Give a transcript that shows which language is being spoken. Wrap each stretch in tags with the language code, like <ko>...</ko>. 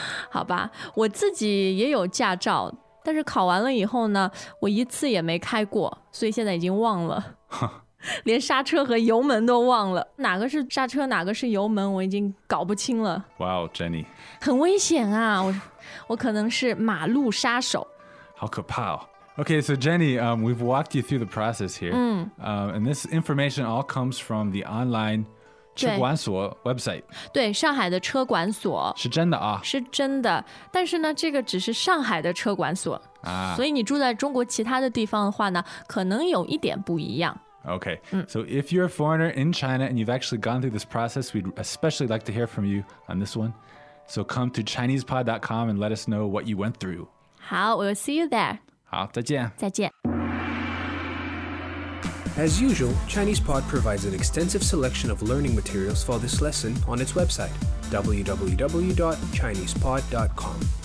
<zh>好吧，我自己也有驾照，但是考完了以后呢，我一次也没开过，所以现在已经忘了，连刹车和油门都忘了，哪个是刹车，哪个是油门，我已经搞不清了。哇、wow, Jenny，很危险啊，我可能是马路杀手。好可怕哦。</zh> <en>Okay, so Jenny, we've walked you through the process here. And this information all comes from the online车管所 website。</en> <zh>对，上海的车管所是真的啊，是真的。但是呢，这个只是上海的车管所、啊、所以你住在中国其他的地方的话呢，可能有一点不一样。</zh> <en>Okay、So if you're a foreigner in China and you've actually gone through this process, we'd especially like to hear from you on this one. So come to ChinesePod.com and let us know what you went through. 好， we'll see you there.</en> <zh>好，再见。再见。</zh> <en>As usual, ChinesePod provides an extensive selection of learning materials for this lesson on its website, www.chinesepod.com.</en>